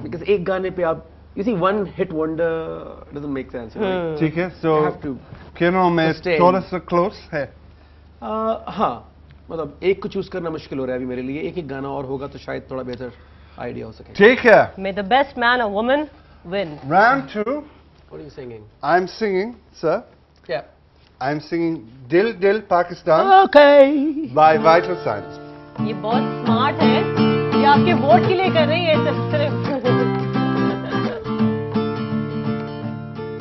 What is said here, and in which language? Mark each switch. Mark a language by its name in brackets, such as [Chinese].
[English] because [Hindi] एक गाने पे आप, [English] You see one hit wonder doesn't make sense. [Hindi] ठीक है, सो क्यों ना मैं थोड़ा सा क्लोज है। हाँ, मतलब एक को चूज करना मुश्किल हो रहा है अभी मेरे लिए, एक एक गाना और होगा तो शायद थोड़ा बेहतर आइडिया हो सके। ठीक है, [English] May the best man और woman win. Round 2. What are you singing? I'm singing, sir. Yeah. I'm singing Dil Dil Pakistan. Okay. By Vital Signs. [Hindi] ये बहुत smart है. ये आपके vote के लिए कर रही है सब सिर्फ.